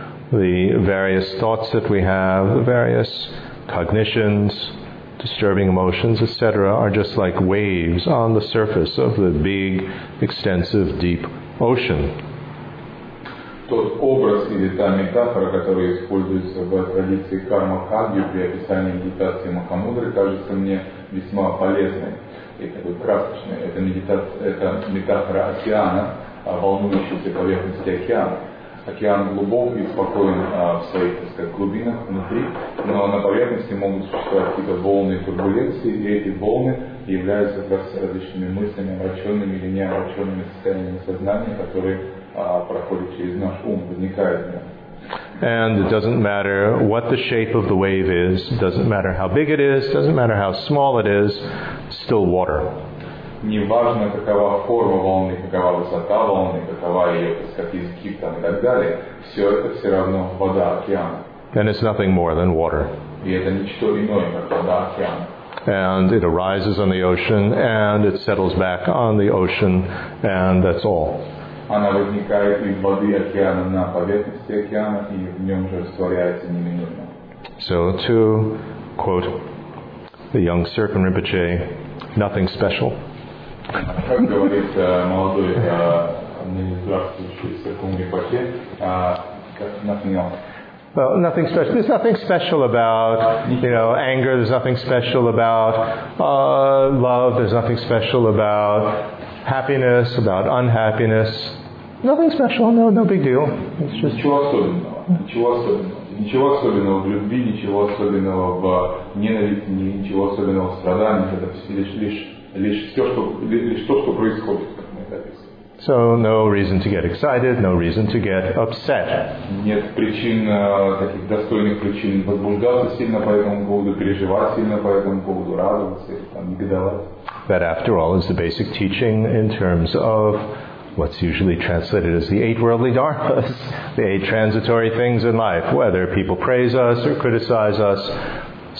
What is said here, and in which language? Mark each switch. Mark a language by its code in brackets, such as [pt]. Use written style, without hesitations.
[en] The various thoughts that we have, the various cognitions, disturbing emotions, etc., are just like waves on the surface of the big, extensive, deep ocean. [ru] Тот образ или та метафора, которая используется в традиции карма-кагью при описании медитации Махамудры, кажется мне весьма полезной. Это метафора океана, волнующейся поверхности океана. Океан глубок и спокоен в своих, так сказать, глубинах внутри, но на поверхности могут существовать какие-то волны и турбуленции, и эти волны являются как раз различными мыслями, омраченными или неомраченными состояниями сознания, которые проходят через наш ум, возникают в нем. [en] And it doesn't matter what the shape of the wave is, doesn't matter how big it is, doesn't matter how small it is, still water. [ru] Не важно, какова форма волны, какова высота волны, какова ее, так сказать, изгиб там и так далее, все это все равно вода океана. [en] And it's nothing more than water. [ru] И это ничто иное, как вода океана. [en] And it arises on the ocean, and it settles back on the ocean, and that's all. [ru] Она возникает из воды океана на поверхности океана и в нем же растворяется неминуемо. [en] So to quote the young Serpent Rinpoche, nothing special. [ru] Как говорит молодой здравствующий Серпун Ринпоче, [en] nothing else. Well, nothing special. There's nothing special about, you know, anger. There's nothing special about love. There's nothing special about happiness, about unhappiness. Nothing special. No big deal. It's just [ru] ничего особенного. Ничего особенного. Ничего особенного в любви. Ничего особенного в ненависти. Ничего особенного в страданиях. Это лишь то, что происходит. [en] So no reason to get excited, no reason to get upset. [ru] Нет причин, таких достойных причин возбуждаться сильно по этому поводу, переживать сильно по этому поводу, радоваться, негодовать. [en] That after all is the basic teaching in terms of what's usually translated as the eight worldly dharmas, the eight transitory things in life, whether people praise us or criticize us.